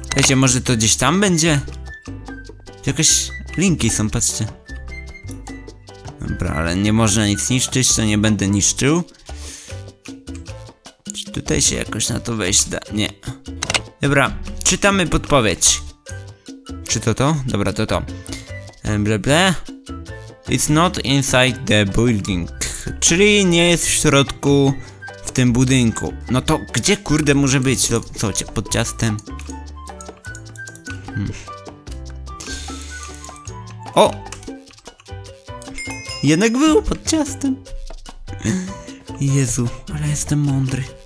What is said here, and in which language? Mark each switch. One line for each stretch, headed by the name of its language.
Polish: Wiecie, może to gdzieś tam będzie? Jakieś linki są, patrzcie. Dobra, ale nie można nic niszczyć, to nie będę niszczył. Czy tutaj się jakoś na to wejść da? Nie. Dobra, czytamy podpowiedź. Czy to to? Dobra, to to. Bleble.
English: It's not inside the building.
Polish: Czyli nie jest w środku, w tym budynku. No to gdzie kurde może być? To co, pod ciastem? O! Jednak był pod ciastem. Jezu, ale jestem mądry.